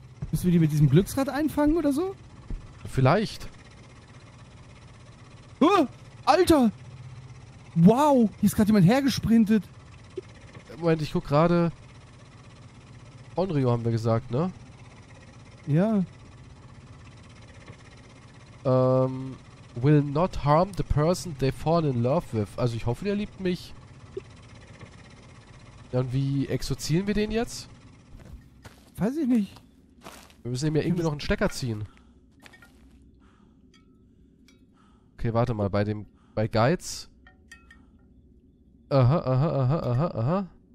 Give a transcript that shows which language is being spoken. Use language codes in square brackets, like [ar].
[de] Müssen wir die mit diesem Glücksrad einfangen oder so? Vielleicht. Oh, Alter! Wow, hier ist gerade jemand hergesprintet. Moment, ich guck gerade. Onryo haben wir gesagt, ne? Ja. [en] Will not harm the person they fall in love with. [de] Also ich hoffe, der liebt mich. Dann wie exorzieren wir den jetzt? Weiß ich nicht. Wir müssen ihm ja irgendwie noch einen Stecker ziehen. Okay, warte mal, bei dem... bei Geiz. Aha.